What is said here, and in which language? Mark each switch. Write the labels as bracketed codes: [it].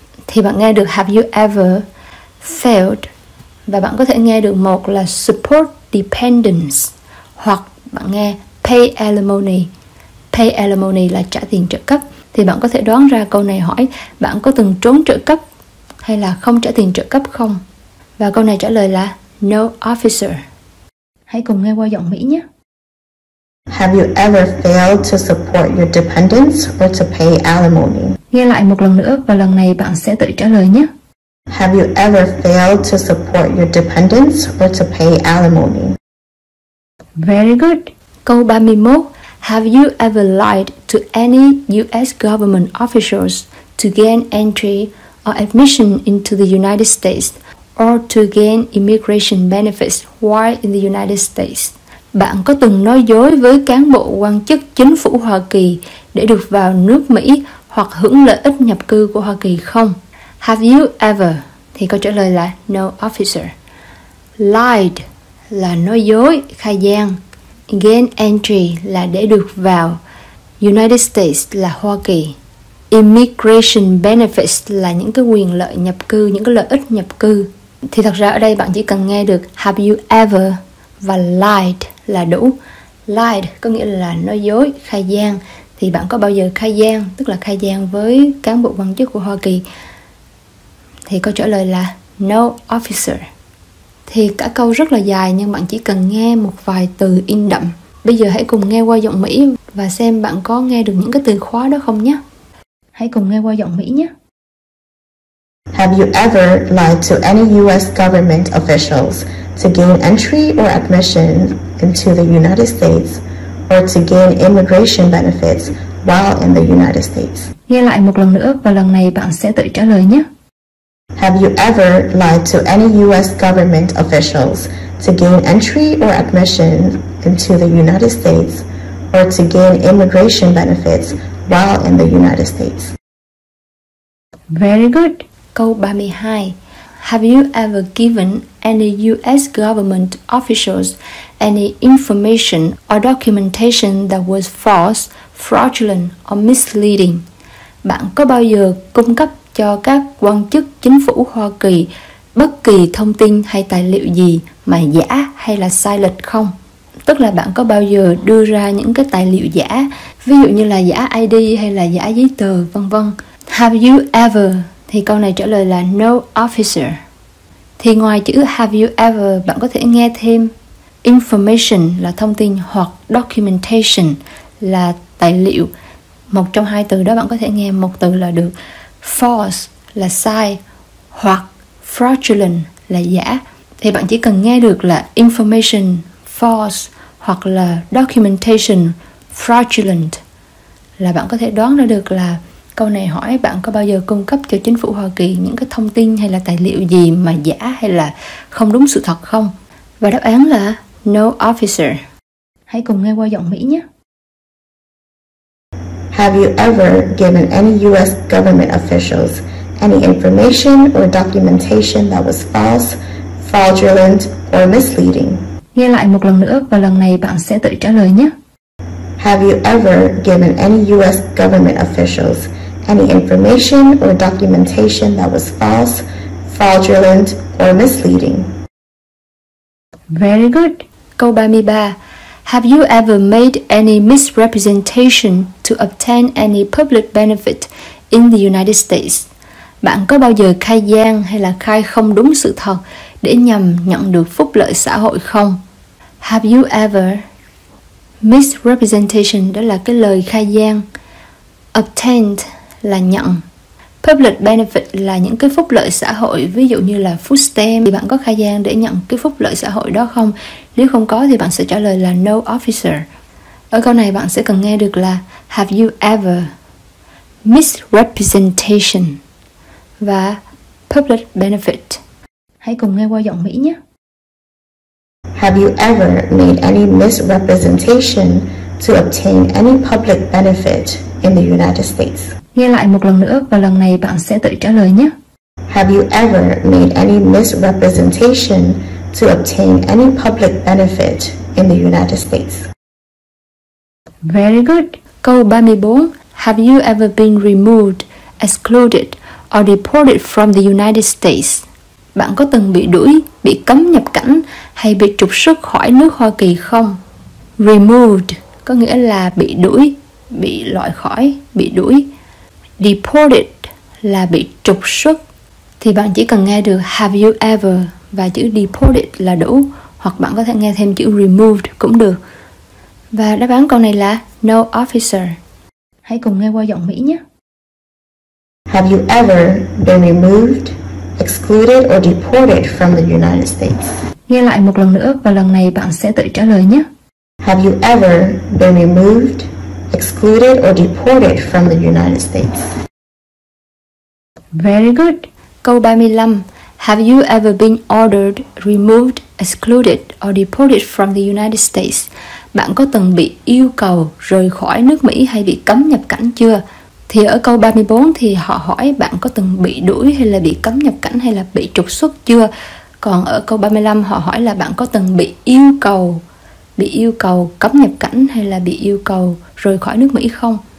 [vi] Thì bạn nghe được [en] have you ever failed, [vi] và bạn có thể nghe được một là [en] support dependents, [vi] hoặc bạn nghe [en] pay alimony. Pay alimony [vi] là trả tiền trợ cấp. Thì bạn có thể đoán ra câu này hỏi bạn có từng trốn trợ cấp hay là không trả tiền trợ cấp không? Và câu này trả lời là [en] no officer. [vi] Hãy cùng nghe qua giọng Mỹ nhé. [en] Have you ever failed to support your dependents or to pay alimony? [vi] Nghe lại một lần nữa và lần này bạn sẽ tự trả lời nhé. [en] Have you ever failed to support your dependents or to pay alimony? Very good. [vi] Câu 31. [en] Have you ever lied to any US government officials to gain entry or admission into the United States or to gain immigration benefits while in the United States? [vi] Bạn có từng nói dối với cán bộ quan chức chính phủ Hoa Kỳ để được vào nước Mỹ hoặc hưởng lợi ích nhập cư của Hoa Kỳ không? [en] Have you ever? [vi] Thì câu trả lời là [en] no officer. [vi] Lied là nói dối, khai gian. [en] Gain entry [vi] là để được vào United States là Hoa Kỳ. [en] Immigration benefits [vi] là những cái quyền lợi nhập cư, những cái lợi ích nhập cư. Thì thật ra ở đây bạn chỉ cần nghe được [en] have you ever [vi] và lied là đủ. Lied có nghĩa là nói dối, khai gian. Thì bạn có bao giờ khai gian, tức là khai gian với cán bộ quan chức của Hoa Kỳ? Thì câu trả lời là [en] no officer. [vi] Thì cả câu rất là dài nhưng bạn chỉ cần nghe một vài từ in đậm. Bây giờ hãy cùng nghe qua giọng Mỹ và xem bạn có nghe được những cái từ khóa đó không nhé. Hãy cùng nghe qua giọng Mỹ nhé. [en] Have you ever lied to any US government officials to gain entry or admission into the United States or to gain immigration benefits while in the United States? [vi] Nghe lại một lần nữa và lần này bạn sẽ tự trả lời nhé. [en] Have you ever lied to any US government officials to gain entry or admission into the United States or to gain immigration benefits while in the United States? Very good. [vi] Câu 32. [en] Have you ever given any US government officials any information or documentation that was false, fraudulent or misleading? [vi] Bạn có bao giờ cung cấp cho các quan chức chính phủ Hoa Kỳ bất kỳ thông tin hay tài liệu gì mà giả hay là sai lệch không? Tức là bạn có bao giờ đưa ra những cái tài liệu giả, ví dụ như là giả ID hay là giả giấy tờ, vân vân. [en] Have you ever? [vi] Thì câu này trả lời là [en] no officer. [vi] Thì ngoài chữ [en] have you ever, [vi] bạn có thể nghe thêm information là thông tin hoặc documentation là tài liệu. Một trong hai từ đó bạn có thể nghe một từ là được. False là sai, hoặc fraudulent là giả. Thì bạn chỉ cần nghe được là [en] information false [vi] hoặc là [en] documentation fraudulent [vi] là bạn có thể đoán ra được là câu này hỏi bạn có bao giờ cung cấp cho chính phủ Hoa Kỳ những cái thông tin hay là tài liệu gì mà giả hay là không đúng sự thật không? Và đáp án là [en] no officer. [vi] Hãy cùng nghe qua giọng Mỹ nhé. [en] Have you ever given any US government officials any information or documentation that was false, fraudulent or misleading? [vi] Nghe lại một lần nữa và lần này bạn sẽ tự trả lời nhé. [en] Have you ever given any US government officials any information or documentation that was false, fraudulent or misleading? Very good. [vi] Câu 33. [en] Have you ever made any misrepresentation to obtain any public benefit in the United States? [vi] Bạn có bao giờ khai gian hay là khai không đúng sự thật để nhằm nhận được phúc lợi xã hội không? [en] Have you ever misrepresentation, [vi] đó là cái lời khai gian. Obtained là nhận. [en] Public benefit [vi] là những cái phúc lợi xã hội, ví dụ như là [en] food stamp. [vi] Thì bạn có khai gian để nhận cái phúc lợi xã hội đó không? Nếu không có thì bạn sẽ trả lời là [en] no officer. [vi] Ở câu này bạn sẽ cần nghe được là [en] have you ever misrepresentation [vi] và [en] public benefit. [vi] Hãy cùng nghe qua giọng Mỹ nhé. [en] Have you ever made any misrepresentation to obtain any public benefit in the United States? [vi] Nghe lại một lần nữa và lần này bạn sẽ tự trả lời nhé. [en] Have you ever made any misrepresentation to obtain any public benefit in the United States? Very good. [vi] Câu 34. [en] Have you ever been removed, excluded or deported from the United States? [vi] Bạn có từng bị đuổi, bị cấm nhập cảnh hay bị trục xuất khỏi nước Hoa Kỳ không? Removed có nghĩa là bị đuổi, bị loại khỏi, bị đuổi. Deported là bị trục xuất. Thì bạn chỉ cần nghe được [en] have you ever [vi] và chữ deported là đủ. Hoặc bạn có thể nghe thêm chữ removed cũng được. Và đáp án câu này là [en] no officer. [vi] Hãy cùng nghe qua giọng Mỹ nhé. [en] Have you ever been removed, excluded or deported from the United States? [vi] Nghe lại một lần nữa và lần này bạn sẽ tự trả lời nhé. [en] Have you ever been removed, excluded or deported from the United States? Very good. [vi] Câu 35. [en] Have you ever been ordered, removed, excluded or deported from the United States? [vi] Bạn có từng bị yêu cầu rời khỏi nước Mỹ hay bị cấm nhập cảnh chưa? Thì ở câu 34 thì họ hỏi bạn có từng bị đuổi hay là bị cấm nhập cảnh hay là bị trục xuất chưa? Còn ở câu 35 họ hỏi là bạn có từng bị yêu cầu cấm nhập cảnh hay là bị yêu cầu rời khỏi nước Mỹ không?